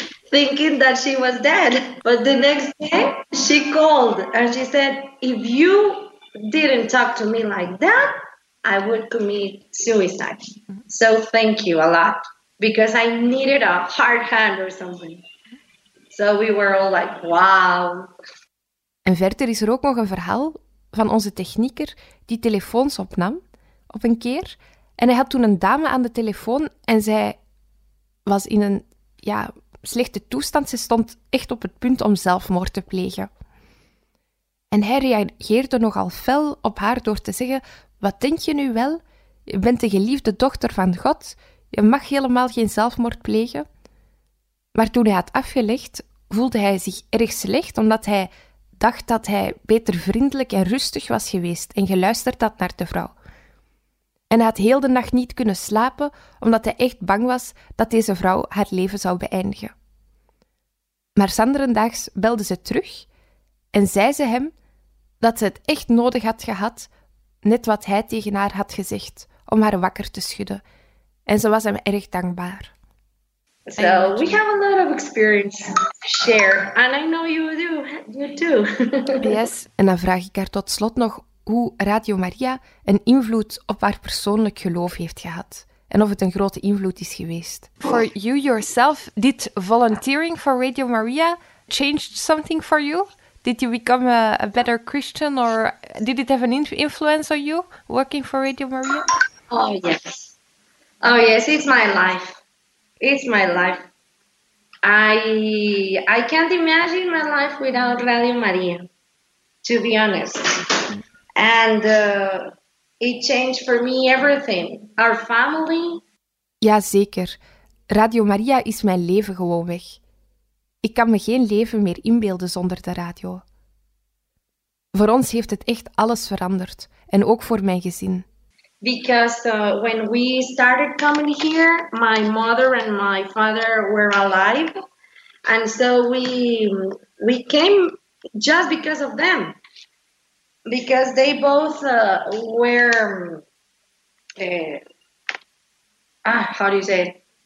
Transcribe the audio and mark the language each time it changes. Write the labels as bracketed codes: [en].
[en] thinking that she was dead. But the next day, she called and she said, if you didn't talk to me like that, I would commit suicide. So thank you a lot, because I needed a hard hand or something. So we were all like, wow. [nl] En verder is er ook nog een verhaal van onze technieker die telefoons opnam op een keer. En hij had toen een dame aan de telefoon en zij was in een slechte toestand. Ze stond echt op het punt om zelfmoord te plegen. En hij reageerde nogal fel op haar door te zeggen, wat denk je nu wel? Je bent de geliefde dochter van God. Je mag helemaal geen zelfmoord plegen. Maar toen hij had afgelegd, voelde hij zich erg slecht omdat hij dacht dat hij beter vriendelijk en rustig was geweest en geluisterd had naar de vrouw. En hij had heel de nacht niet kunnen slapen omdat hij echt bang was dat deze vrouw haar leven zou beëindigen. Maar sanderendaags belde ze terug en zei ze hem dat ze het echt nodig had gehad, net wat hij tegen haar had gezegd, om haar wakker te schudden. En ze was hem erg dankbaar. [en] So we have a lot of experience to share, and I know you do, you too. [nl] Yes, en dan vraag ik haar tot slot nog hoe Radio Maria een invloed op haar persoonlijk geloof heeft gehad en of het een grote invloed is geweest. [en] For you yourself, did volunteering for Radio Maria change something for you? Did you become a better Christian, or did it have an influence on you working for Radio Maria? Oh yes, it's my life. It's my life. I can't imagine my life without Radio Maria, to be honest. And it changed for me everything. Our family. [nl] Ja, zeker. Radio Maria is mijn leven gewoon weg. Ik kan me geen leven meer inbeelden zonder de radio. Voor ons heeft het echt alles veranderd. En ook voor mijn gezin. [en] Because when we started coming here, my mother and my father were alive. And so we came just because of them. Because they both were, how do you say it?